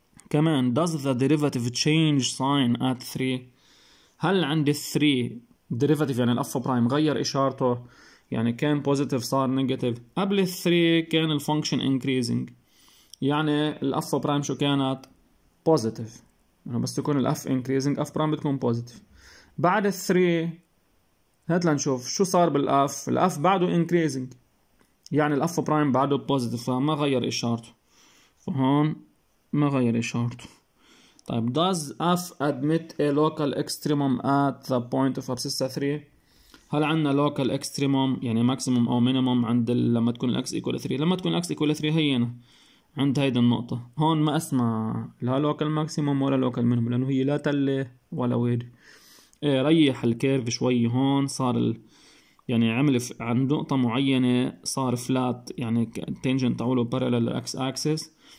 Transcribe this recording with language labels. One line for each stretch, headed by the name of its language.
Arabic: كمان
English: does the derivative change sign at 3؟
Arabic: هل عندي 3 derivative يعني الاف برايم غير اشارته يعني كان بوزيتيف صار نيجاتيف؟ قبل ال 3 كان الفانكشن انكريزنج يعني الاف برايم شو كانت؟ بوزيتيف. يعني بس تكون الاف انكريزنج اف برايم بتكون بوزيتيف. بعد ال 3 هات لنشوف شو صار بالاف. الاف بعده increasing يعني الاف برايم بعده positive فما غير اشارته. فهون ما غير اشارته. طيب
English: does f admit a local extremum at the point of abscissa 3؟
Arabic: هل عندنا local extremum يعني maximum او minimum عند لما تكون x equal 3؟ لما تكون x equal 3 هينا عند هيدا النقطة. هون ما اسمع لا local maximum ولا local minimum لانه هي لا تلة ولا وادي. ايه ريح الكيرف شوي هون صار يعني عمل عند نقطة معينة صار فلات يعني تانجنت تعوله بارلل للاكس اكسس.